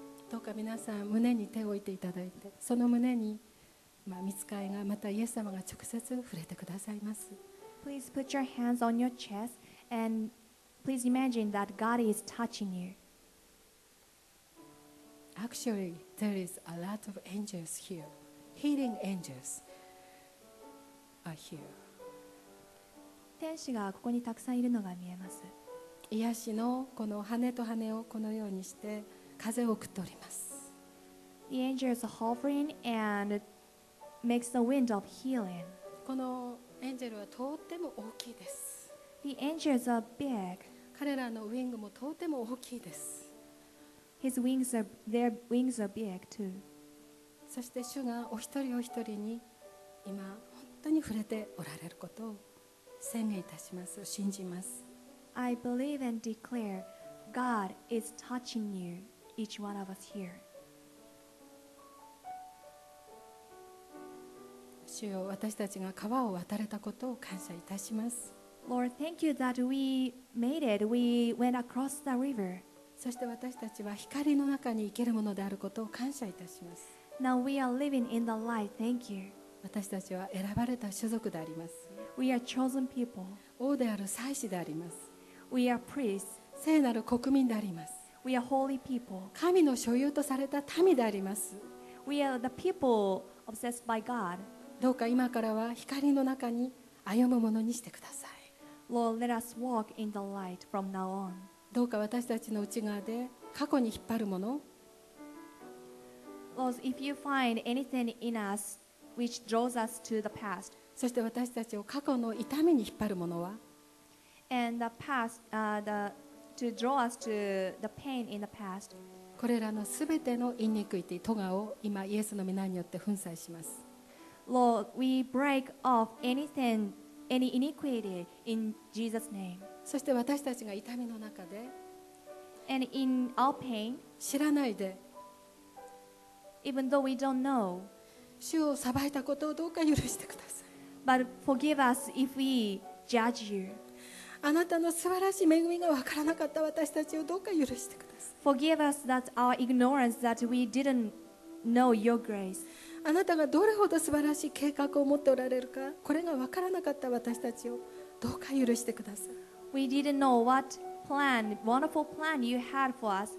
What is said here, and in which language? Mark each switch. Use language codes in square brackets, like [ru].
[ja] どうか皆さん胸に手を置いていただいて、その胸に、まあ、御使いがまたイエス様が直接触れてくださいます。 [en] Please put your hands on your chest and please imagine that God is touching you. Actually, there is a lot of angels here. Healing angels are here. [ja] 天使がここにたくさんいるのが見えます。癒しのこの羽と羽をこのようにして風を送っております。 [en] The angels are hovering and makes the wind of healing. [ja] このエンジェルはとても大きいです。 [en] The angels are big. [ja] 彼らのウィングもとても大きいです。 [en] His wings are, their wings are big too. [ja] そして主がお一人お一人に今本当に触れておられることを宣言いたします。信じます。 [en] I believe and declare God is touching you, each one of us here. [ja] 主よ、私たちが川を渡れたことを感謝いたします。 [en] Lord, thank you that we made it. We went across the river. [ja] そして私たちは光の中に生けるものであることを感謝いたします。 [en] Now we are living in the light. Thank you. [ja] 私たちは選ばれた種族であります。 [en] We are chosen people. [ja] 王である祭司であります。 [en] We are priests. [ja] 聖なる国民であります。 [en] We are holy people. [ja] 神の所有とされた民であります。 [en] We are the people obsessed by God. [ja] どうか今からは光の中に歩むものにしてください。 [en] Lord, let us walk in the light from now on. [ja] どうか私たちの内側で過去に引っ張るもの。 [en] Lord, if you find anything in us which draws us to the past. [ja] そして私たちを過去の痛みに引っ張るものは。 [en] And the past, to draw us to the pain in the past. [ja] これらのすべてのイニクイティ、トガを今イエスの御名によって粉砕します。 [en] Lord, we break off anything, any iniquity in Jesus' name. [ja] そして私たちが痛みの中で、 [en] and in our pain, [ja] 知らないで、 [en] even though we don't know, [ja] 主を裁いたことをどうか許してください。 [en] But forgive us if we judge you. [ja] あなたの素晴らしい恵みがわからなかった私たちをどうか許してください。 [en] Forgive us that our ignorance that we didn't know your grace. [ja] あなたがどれほど素晴らしい計画を持っておられるか、これが分からなかった私たちをどうか許してください。 [en] We didn't know what plan, wonderful plan you had for us.